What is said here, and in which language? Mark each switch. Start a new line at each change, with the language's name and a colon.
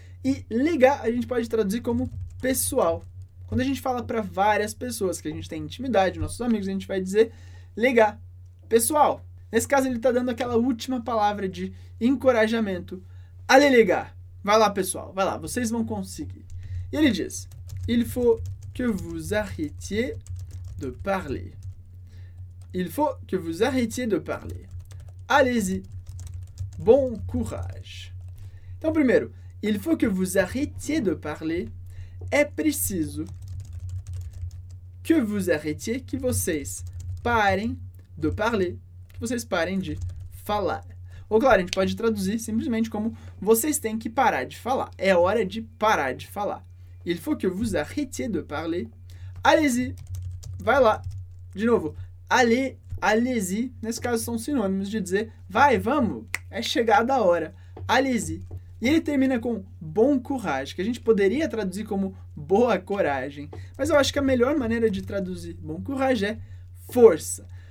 Portuguese: E les gars a gente pode traduzir como pessoal. Quando a gente fala para várias pessoas que a gente tem intimidade, nossos amigos, a gente vai dizer les gars, pessoal. Nesse caso ele está dando aquela última palavra de encorajamento,
French: allez, les gars,
Portuguese: vai lá pessoal, vai lá, vocês vão conseguir. E ele diz,
French: il faut que vous arrêtiez de parler. Il faut que vous arrêtiez de parler. Allez-y. Bon courage.
Portuguese: Então, primeiro,
French: il faut que vous arrêtiez de parler.
Portuguese: É preciso que
French: vous arrêtiez,
Portuguese: que vocês parem de parler. Que vocês parem de falar. Ou, claro, a gente pode traduzir simplesmente como vocês têm que parar de falar. É hora de parar de falar.
French: Il faut que vous arrêtiez de parler. Allez-y.
Portuguese: Vai lá. De novo. Allez-y, nesse caso são sinônimos de dizer vai, vamos, é chegada a hora. Allez-y. E ele termina com
French: bon courage,
Portuguese: que a gente poderia traduzir como boa coragem. Mas eu acho que a melhor maneira de traduzir bon courage é força.